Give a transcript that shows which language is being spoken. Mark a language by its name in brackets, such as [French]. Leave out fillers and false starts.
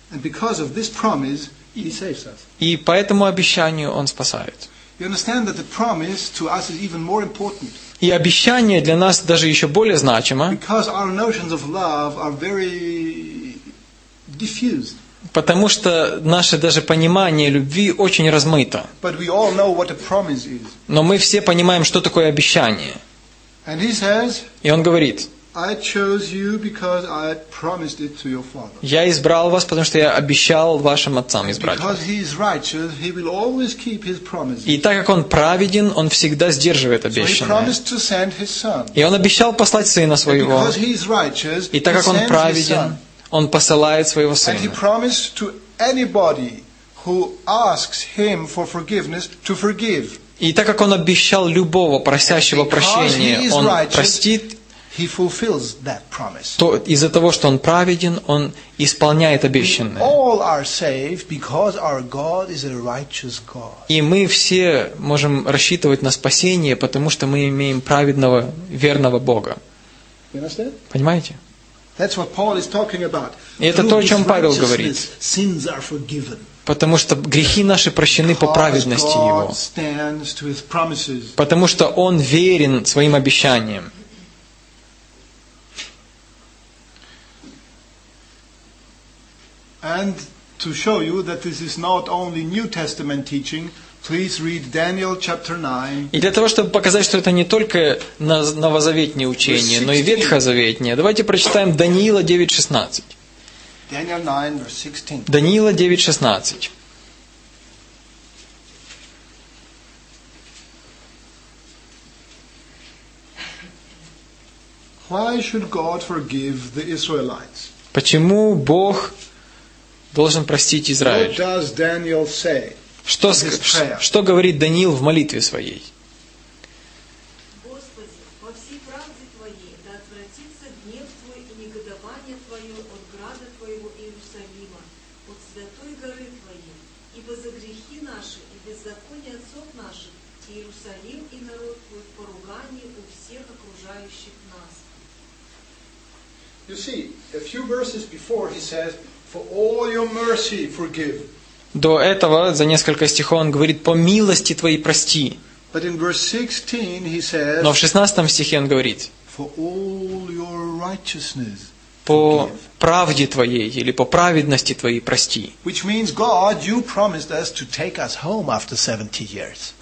[English] And because of this promise, He saves us. [Russian] И по этому обещанию Он спасает. [English] You understand that the promise to us is even more important. [Russian] И обещание для нас даже еще более значимо. [English] Because our notions of love are very diffused. [Russian] Потому что наше даже понимание любви очень размыто. [English] But we all know what a promise is. [Russian] Но мы все понимаем, что такое обещание. [English] And he says, [Russian] и он говорит, [English] I chose you because I promised it to your father. [Russian] Я избрал вас, потому что я обещал вашим отцам избрать [English] Because he is righteous, he will always keep his promises. [Russian] И так как он праведен, он всегда сдерживает обещанное. [English] So he promised to send his son. [Russian] И он обещал послать сына своего. [English] And because he is righteous, [Russian] и так как он праведен, Он посылает своего сына. [English] And he promised to anybody who asks him for forgiveness to forgive. [Russian] И так как он обещал любого просящего прощения, он простит. [English] He fulfills that promise. [Russian] То из-за того, что он праведен, он исполняет обещанное. [English] We all are saved because our God is a righteous God. [Russian] И мы все можем рассчитывать на спасение, потому что мы имеем праведного, верного Бога. [English] You understand? [Russian] Понимаете? [English] That's what Paul is talking about. [Russian] И это то, о чем Павел говорит. [English] Sins are forgiven. [Russian] Потому что грехи наши прощены по праведности Его. [English] God stands to His promises. [Russian] Потому что Он верен своим обещаниям. [English] And to show you that this is not only New Testament teaching, please read Daniel chapter 9. [Russian] И для того, чтобы показать, что это не только новозаветнее учение, но и ветхозаветнее, давайте прочитаем Даниила 9:16. [English] Daniel 9 verse 16. [Russian] Даниила 9:16. [English] Why should God forgive the Israelites? [Russian] Почему Бог должен простить Израиль? [English] What does Daniel say? [Russian] Что говорит Даниил в молитве своей? Господи, по всей правде Твоей, да отвратится гнев Твой и негодование Твое от града Твоего Иерусалима, от святой горы Твоей, ибо за грехи наши и беззаконие отцов наших Иерусалим и народ Твой в поругании у всех окружающих нас. [English] You see, a few verses before he says, for all your mercy forgive. [Russian] До этого, за несколько стихов, он говорит, «По милости Твоей прости». [English] But in verse 16 he says, [Russian] Но в 16 стихе он говорит, [English] for all your righteousness forgive. [Russian] «По правде Твоей или по праведности Твоей прости». [English] Which means, God, You promised us to take us home after 70 years.